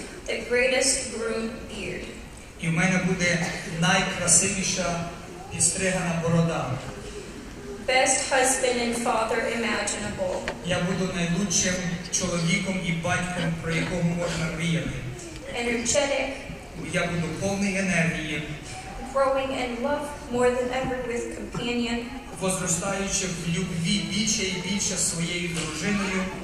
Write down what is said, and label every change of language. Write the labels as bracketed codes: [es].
[en] The greatest groomed beard. [uk] І в мене буде найкрасивіша підстригана борода. [en] Best husband and father imaginable. [uk] Я буду найлучшим чоловіком і батьком, про якого можна мріяти. [en] Energetic. [uk] Я буду повний енергії. [en] Growing in love more than ever with companion. [uk] Возростаючи в любві більше і більше своєю дружиною.